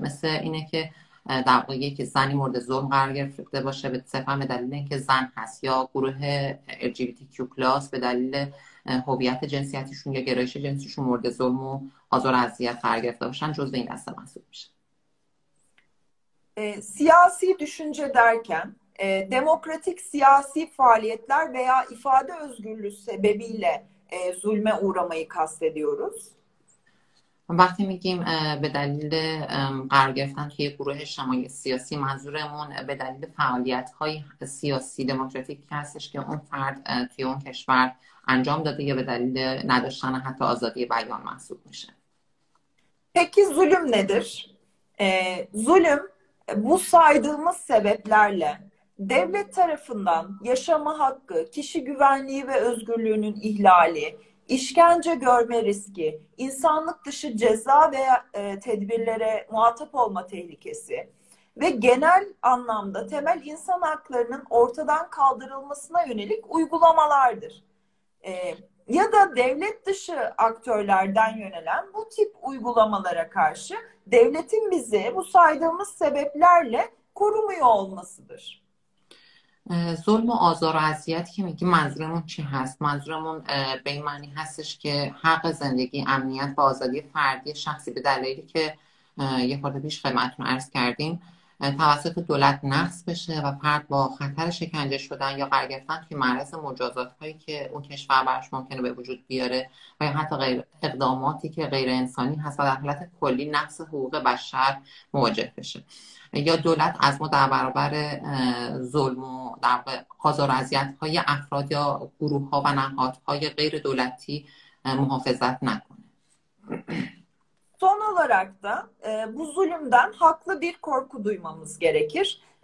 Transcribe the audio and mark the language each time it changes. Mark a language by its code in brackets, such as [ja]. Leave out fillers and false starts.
[fa] مثل اینه که در واقع یکی زنی مورد ظلم قرار گرفته باشه به صرفا به دلیل اینکه زن هست، یا گروه LGBTQ+ به دلیل هویت جنسیتیشون یا گرایش جنسیشون مورد ظلم و آزار و اذیت قرار گرفته باشن، جزء این دسته محسوب میشه. [tr] Siyasi düşünce derken demokratik siyasi faaliyetler veya ifade özgürlüğü sebebiyle zulme uğramayı kastediyoruz. [fa] وقتی میگیم به دلیل قرار گرفتن توی گروه اجتماعی سیاسی، منظورمون به دلیل فعالیت های سیاسی دموکراتیک هستش که اون فرد توی اون کشور انجام داده یا به دلیل نداشتن حتی آزادی بیان محسوب میشه. [tr] Peki zulüm nedir? Zulüm bu saydığımız sebeplerle devlet tarafından yaşama hakkı, kişi güvenliği ve özgürlüğünün ihlali, işkence görme riski, insanlık dışı ceza veya tedbirlere muhatap olma tehlikesi ve genel anlamda temel insan haklarının ortadan kaldırılmasına yönelik uygulamalardır. Ya da devlet dışı aktörlerden yönelen bu tip uygulamalara karşı devletin bizi bu saydığımız sebeplerle korumuyor olmasıdır. [fa] ظلم و آزار و اذیتی که میگی منظورمون چی هست؟ منظورمون به این معنی هستش که حق زندگی، امنیت و آزادی فردی شخصی به دلیلی که یه خورده پیش خدمتتون عرض کردیم توسط دولت نقض بشه و فرد با خطر شکنجه شدن یا قرار گرفتن توی معرض مجازات هایی که اون کشور براش ممکنه به وجود بیاره و یا حتی اقداماتی که غیر انسانی هست و در حالت کلی نقض حقوق بشر مواجه بشه، یا دولت از ما در برابر ظلم و در آزار و اذیت های افراد یا گروه ها و نهاد های غیر دولتی محافظت نکنه. [tr] Son olarak da bu zulümden haklı bir korku duymamız gerekir.